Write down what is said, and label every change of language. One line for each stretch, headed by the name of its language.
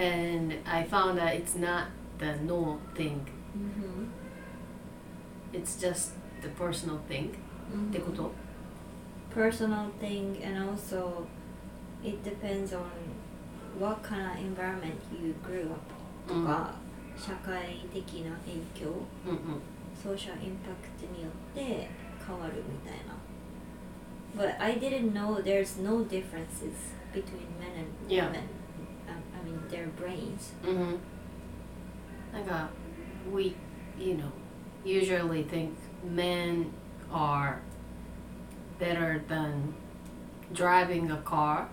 English: And I found that it's not the no thing.、 Mm-hmm. It's just the personal thing.、 Mm-hmm.
Japanese: ってこと?
English: Personal thing, and also it depends on what kind of environment you grew up とか、 mm-hmm.
Japanese: 社会的な影響、 mm-hmm. ソーシャルインパクトによって変わるみたいな。
English: But I didn't know there's no differences between men and women.、 Yeah. Their brains. Mm-hmm. なんか we, you know, usually think men are better than driving a car,、